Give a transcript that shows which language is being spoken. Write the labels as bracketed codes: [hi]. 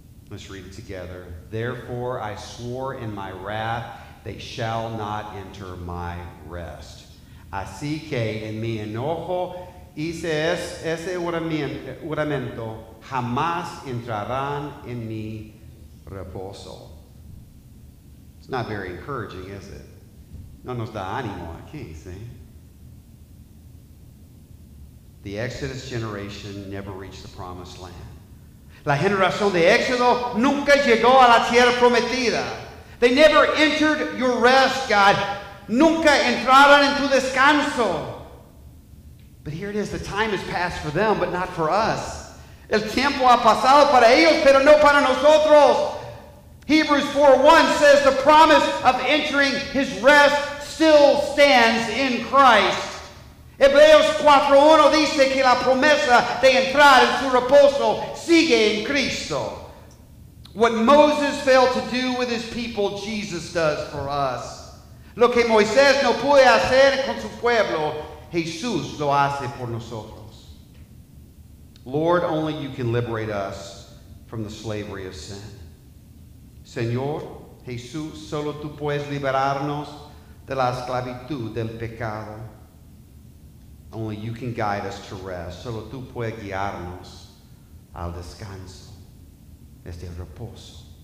[en] Let's read it together. Therefore I swore in my wrath, they shall not enter my rest. [es] Así que en mi enojo hice ese juramento, jamás entrarán en mi reposo. [en] It's not very encouraging, is it? [es] No nos da ánimo aquí, ¿sí? [en] The Exodus generation never reached the promised land. [es] La generación de Éxodo nunca llegó a la tierra prometida. [en] They never entered your rest, God. [es] Nunca entraron en tu descanso. [en] But here it is, the time has passed for them, but not for us. [es] El tiempo ha pasado para ellos, pero no para nosotros. [en] Hebrews 4:1 says the promise of entering his rest still stands in Christ. [es] Hebreos 4:1 dice que la promesa de entrar en su reposo sigue en Cristo. [en] What Moses failed to do with his people, Jesus does for us. [es] Lo que Moisés no puede hacer con su pueblo, Jesús lo hace por nosotros. [en] Lord, only you can liberate us from the slavery of sin. [es] Señor, Jesús, solo tú puedes liberarnos de la esclavitud del pecado. [en] Only you can guide us to rest. [es] Solo tú puedes guiarnos al descanso, este reposo.